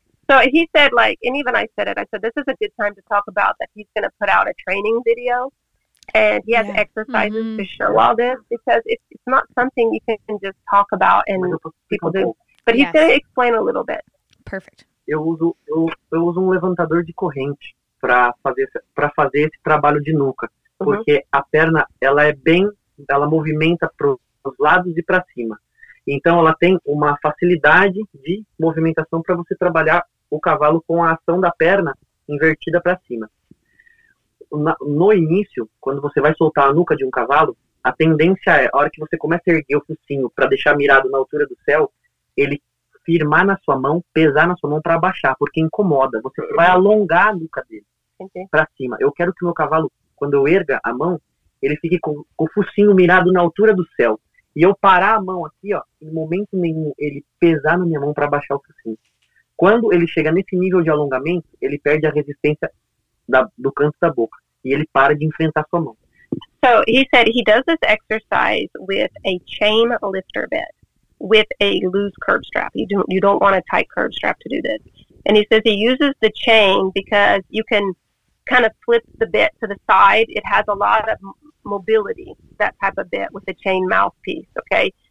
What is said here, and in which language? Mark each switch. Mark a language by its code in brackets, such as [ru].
[en] So he said, like, and even I said it, I said, this is a good time to talk about that he's going to put out a training video. And he has exercises to show all this, because it's not something you can just talk about and people do. But he's going to explain a little bit. Perfect. [pt] Eu uso um levantador de corrente para fazer esse trabalho de nuca, porque a perna, ela movimenta para os lados e para cima. Então, ela tem uma facilidade de movimentação para você trabalhar o cavalo com a ação da perna invertida para cima. No início, quando você vai soltar a nuca de um cavalo, a tendência é, a hora que você começa a erguer o focinho para deixar mirado na altura do céu, ele firmar na sua mão, pesar na sua mão para baixar, porque incomoda. Você vai alongar a nuca dele para cima. Eu quero que o meu cavalo, quando eu erga a mão, ele fique com o focinho mirado na altura do céu. E eu parar a mão aqui, ó, em momento nenhum, ele pesar na minha mão para baixar o focinho. Quando ele chega nesse nível de alongamento, ele perde a resistência do canto da boca. E ele para de enfrentar sua mão. [en] So, he said he does this exercise with a chain lifter bit with a loose curb strap. You don't want a tight curb strap to do this. And he says he uses the chain because you can kind of flip the bit to the side. It has a lot of mobility, that type of bit with a chain mouthpiece, okay?